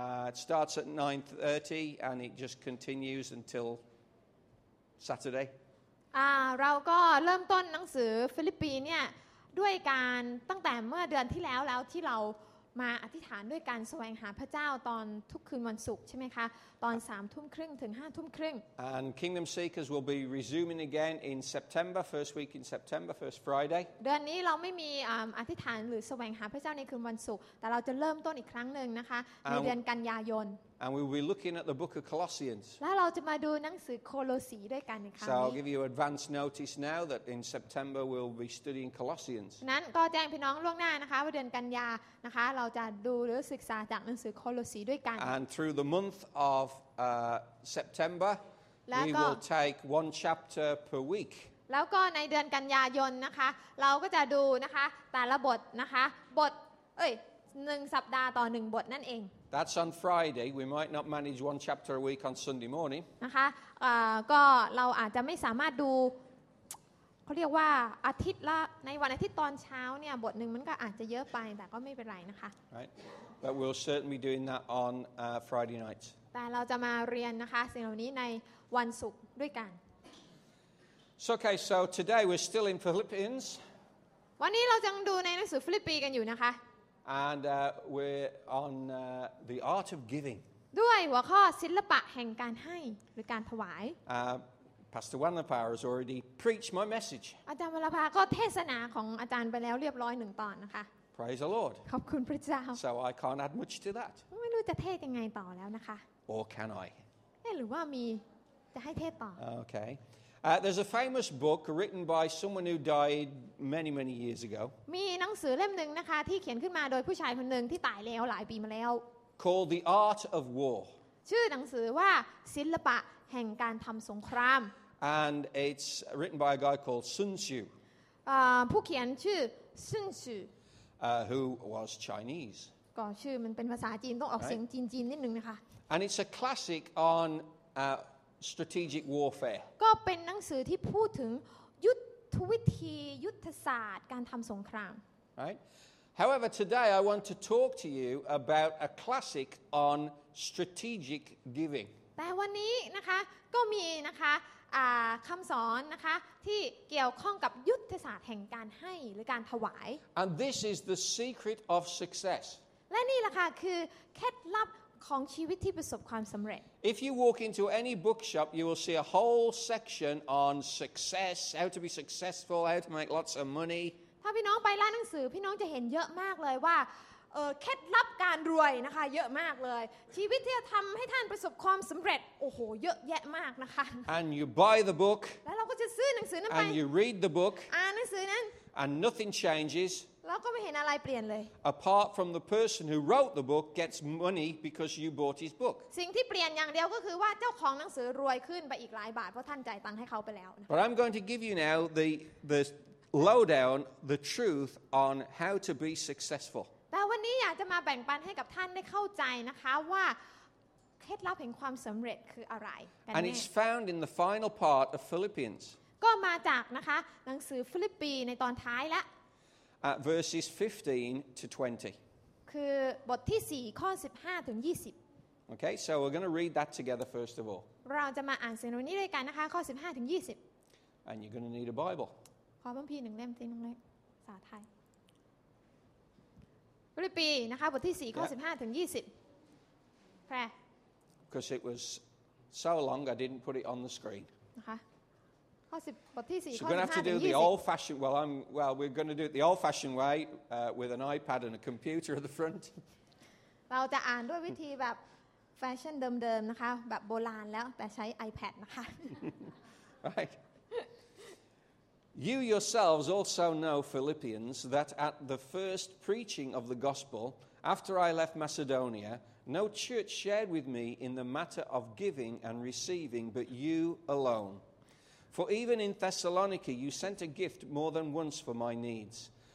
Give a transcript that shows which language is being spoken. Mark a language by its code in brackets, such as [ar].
[en] It starts at 9:30 and it just continues until Saturday. [th] เราก็เริ่มต้นหนังสือฟิลิปปีเนี่ยด้วยการตั้งแต่เมื่อเดือนที่แล้วแล้วที่เรามาอธิษฐานด้วยการแสวงหาพระเจ้าตอนทุกคืนวันศุกร์ใช่ไหมคะตอน 3:30 ถึง 5:30 [en] And Kingdom Seekers will be resuming again in September, first week in September, first Friday. [th] เดือนนี้เราไม่มีอธิษฐานหรือแสวงหาพระเจ้าในคืนวันศุกร์แต่เราจะเริ่มต้นอีกครั้งนึงนะคะในเดือนกันยายน [en] And we will be looking at the book of Colossians. [th] แล้วเราจะมาดูหนังสือโคโลสีด้วยกันในครั้งนี้ [en] So I'll give you advance notice now that in September we'll be studying Colossians. [th] นั้นก็แจ้งพี่น้องล่วงหน้านะคะว่าเดือนกันยานะคะเราจะดูหรือศึกษาจากหนังสือโคโลสีด้วยกัน [en] And through the month ofSeptember, we will take one chapter per week. [th] แล้วก็ในเดือนกันยายนนะคะเราก็จะดูนะคะแต่ละบทนะคะบทเอ้ยหนึ่งสัปดาห์ต่อหนึ่งบทนั่นเอง [en] That's on Friday. We might not manage one chapter a week on Sunday morning. [th] นะคะก็เราอาจจะไม่สามารถดูเขาเรียกว่าอาทิตย์ละในวันอาทิตย์ตอนเช้าเนี่ยบทหนึ่งมันก็อาจจะเยอะไปแต่ก็ไม่เป็นไรนะคะ [en] Right, but we'll certainly be doing that on Friday nights. [th] แต่เราจะมาเรียนนะคะสิ่งเหล่านี้ในวันศุกร์ด้วยกัน [en] So okay so today we're still in Philippians [th] วันนี้เราจะดูในหนังสือฟิลิปปีกันอยู่นะคะ [en] And we're on the art of giving [th] ด้วยหัวข้อศิลปะแห่งการให้หรือการถวาย [en] Pastor Wanlapa has already preached my message [th] อาจารย์วัลลภาก็เทศนาของอาจารย์ไปแล้วเรียบร้อย1ตอนนะคะ [en] Praise the Lord [th] ขอบคุณพระเจ้า [en] So I can't add much to that [th] ไม่รู้จะเทศยังไงต่อแล้วนะคะ [en] Or can I? [th] หรือว่ามีจะให้เทศต่อ [en] Okay. There's a famous book written by someone who died many, many years ago. [th] มีหนังสือเล่มนึงนะคะที่เขียนขึ้นมาโดยผู้ชายคนนึงที่ตายแล้วหลายปีมาแล้ว [en] Called The Art of War. [th] ชื่อหนังสือว่าศิลปะแห่งการทำสงคราม [en] And it's written by a guy called Sun Tzu. [th] ผู้เขียนชื่อ Sun Tzu. [en] Who was Chinese. [th] ก็ชื่อมันเป็นภาษาจีนต้องออกเสียงจีนจีนนิดนึงนะคะ [en] And it's a classic on strategic warfare [th] ก็เป็นหนังสือที่พูดถึงยุทธวิธียุทธศาสตร์การทำสงคราม [en] Right However today I want to talk to you about a classic on strategic giving [th] แต่วันนี้นะคะก็มีนะคะคำสอนนะคะที่เกี่ยวข้องกับยุทธศาสตร์แห่งการให้หรือการถวาย [en] And this is the secret of success [th] และนี่แหละค่ะคือเคล็ดลับของชีวิตที่ประสบความสำเร็จ [en] If you walk into any bookshop you will see a whole section on success how to be successful how to make lots of money [th] ถ้าพี่น้องไปร้านหนังสือพี่น้องจะเห็นเยอะมากเลยว่าเคล็ดลับการรวยนะคะเยอะมากเลยชีวิตที่จะทำให้ท่านประสบความสำเร็จโอ้โหเยอะแยะมากนะคะ [en] And you buy the book [th] แล้วเราก็จะซื้อหนังสือนั้นไป [en] And you read the book [th] อ่านหนังสือนั้น [en] And nothing changes [th] เราก็ไม่เห็นอะไรเปลี่ยนเลย [en] Apart from the person who wrote the book gets money because you bought his book [th] สิ่งที่เปลี่ยนอย่างเดียวก็คือว่าเจ้าของหนังสือรวยขึ้นไปอีกหลายบาทเพราะท่านจ่ายตังค์ให้เขาไปแล้ว [en] But I'm going to give you now the lowdown the truth on how to be successful [th] แต่วันนี้อยากจะมาแบ่งปันให้กับท่านได้เข้าใจนะคะว่าเคล็ดลับแห่งความสำเร็จคืออะไร [en] And it's found in the final part of Philippians [th] ก็มาจากนะคะหนังสือฟิลิปปีในตอนท้ายละ [en] at verses 15 to 20 [th] คือบทที่4ข้อ15ถึง20 [en] Okay so we're going to read that together first of all [th] เราจะมาอ่านสิ่งนี้ด้วยกันนะคะข้อ15ถึง20 [en] And you're going to need a Bible [th] ขอพระคัมภีร์1เล่มที่น้องเล็กภาษาไทยฟิลิปปีนะคะบทที่4ข้อ15ถึง20 แพร่ [en] Because it was so long I didn't put it on the screen [th] นะคะข้อ10บทที่4 [en] So we're going to have to do the old-fashioned well I'm well we're going to do it the old-fashioned way with an iPad and a computer at the front [th] เราจะอ่านด้วยวิธีแบบแฟชั่นเดิมๆนะคะแบบโบราณแล้วแต่ใช้ iPad นะคะ [en] You yourselves also know Philippians that at the first preaching of the gospel after I left Macedonia No church shared with me in the matter of giving and receiving, but you alone. For even in Thessalonica, you sent a gift more than once for my needs.